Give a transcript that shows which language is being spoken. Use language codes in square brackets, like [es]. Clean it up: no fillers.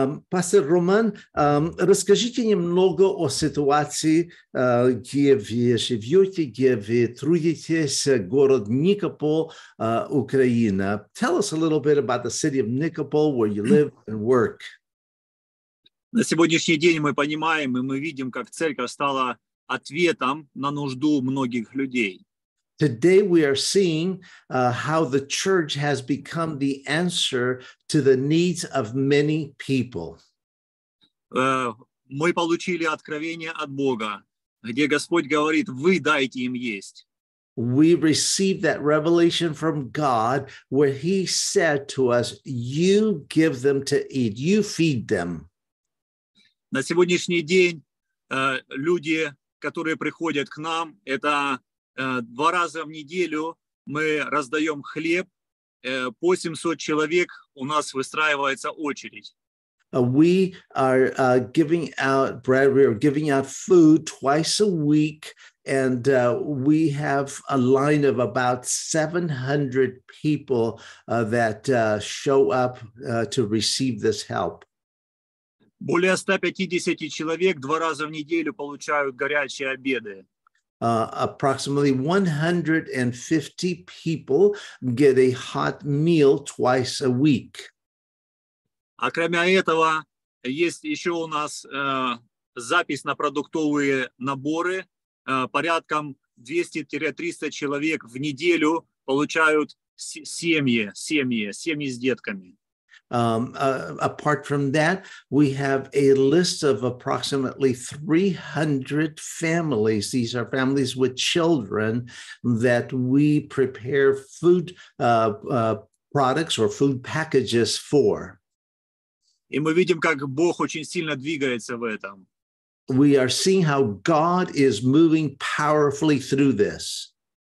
[ru] Пастор Роман, расскажите немного о ситуации, где вы живете, где вы трудитесь, город Никопол, Украина. [en] Tell us a little bit about the city of Nikopol, where you live and work. [ru] На сегодняшний день мы понимаем и мы видим, как церковь стала ответом на нужду многих людей. [en] Today we are seeing how the church has become the answer to the needs of many people. [ru] Мы получили откровение от Бога, где Господь говорит: вы дайте им есть. [en] We received that revelation from God where he said to us, you give them to eat, you feed them. [ru] На сегодняшний день люди, которые приходят к нам, это два раза в неделю мы раздаем хлеб, по 700 человек у нас выстраивается очередь. [en] We are giving out bread, we are giving out food twice a week, and we have a line of about 700 people that show up to receive this help. [ru] Более 150 человек два раза в неделю получают горячие обеды. [en] Approximately 150 people get a hot meal twice a week. [ru] А кроме этого, есть еще у нас запись на продуктовые наборы. Порядком 200-300 человек в неделю получают семьи с детками. [en] Apart from that, we have a list of approximately 300 families. These are families with children that we prepare food products or food packages for. [ru] И мы видим, как Бог очень сильно двигается в этом. [en] We are seeing how God is moving powerfully through this.